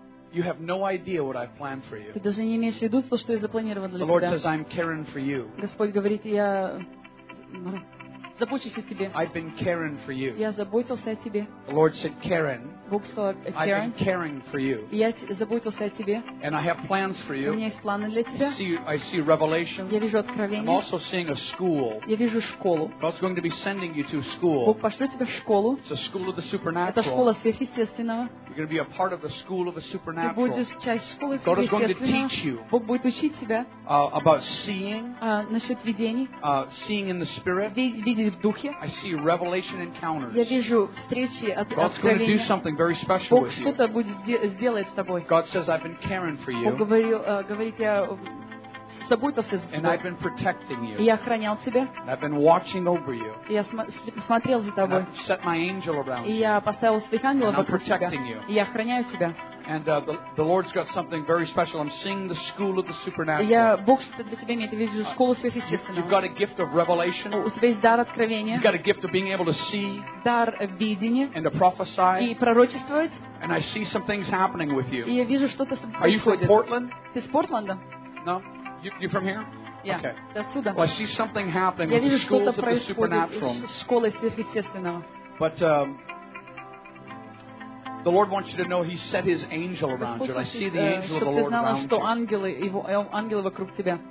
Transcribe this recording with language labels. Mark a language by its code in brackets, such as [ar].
[en] You have no idea what I've planned for you. [ru] Ты даже не имеешь в виду, что я запланировал для тебя. [en] The Lord says I'm caring for you. [ru] Господь говорит, я забочусь о тебе. [en] I've been caring for you. [ru] Я заботился о тебе. [en] The Lord said, Karen. [ru] Бог сказал, Karen. [en] I've been caring for you. [ru] Я заботился о тебе. [en] And I have plans for you. [ru] У меня есть планы для тебя. [en] I see revelation. [ru] Я вижу откровение. [en] I'm also seeing a school. [ru] Я вижу школу. [en] God's going to be sending you to school. [ru] Бог пошлет тебя в школу. [en] It's a school of the supernatural. [ru] Это школа сверхъестественного. [en] You're going to be a part of the school of the supernatural. [ru] Ты будешь часть школы сверхъестественного. [en] God is going to teach you. [ru] Бог будет учить тебя. [en] About seeing. [ru] Насчет видений. [en] Seeing in the spirit. [ru] Видеть в духе. [en] I see revelation encounters. [ru] Я вижу встречи от [en] God's [ru] откровения. [en] God's going to do something very special with you. [ru] Бог что-то будет сделать с тобой. [en] God says I've been caring for you. [ru] Бог говорит, я с тобой, то с тобой. [en] And I've been protecting you. [ru] И я охранял тебя. [en] And I've been watching over you. [ru] И я смотрел за тобой. [en] And I've set my angel around you. [ru] И я поставил своих ангелов вокруг тебя. [en] And I'm protecting you. [ru] И я охраняю тебя. [en] And the Lord's got something very special. I'm seeing the school of the supernatural. You've got a gift of revelation. You've got a gift of being able to see. [ru] Дар видения. [en] And to prophesy. [ru] И пророчествовать. [en] And I see some things happening with you. [ru] И я вижу что-то. [en] Are you from Portland? [ru] Ты из Портленда? [en] No. You from here? Yeah. Okay. [ru] Отсюда. [en] Well, I see something happening with the schools of the supernatural. [ru] Школы сверхъестественного. [en] But the Lord wants you to know He set His angel around you. And I see the angel of the Lord around you. [ru] Чтобы ты знала, что ангелы вокруг тебя.